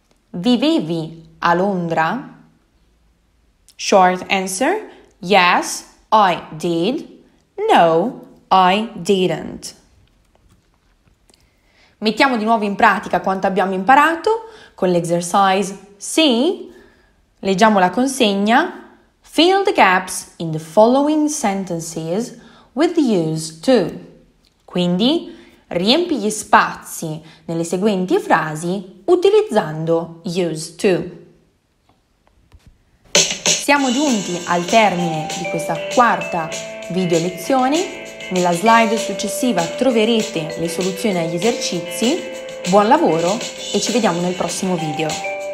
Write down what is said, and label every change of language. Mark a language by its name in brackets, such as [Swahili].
[Italian] Vivevi a Londra? [English] Short answer: Yes, I did. No, I didn't. [Italian] Mettiamo di nuovo in pratica quanto abbiamo imparato con l'exercise C. Leggiamo la consegna. [English] Fill the gaps in the following sentences with use to. [Italian] Quindi riempi gli spazi nelle seguenti frasi utilizzando use to. Siamo giunti al termine di questa quarta video lezione. Nella slide successiva troverete le soluzioni agli esercizi. Buon lavoro e ci vediamo nel prossimo video.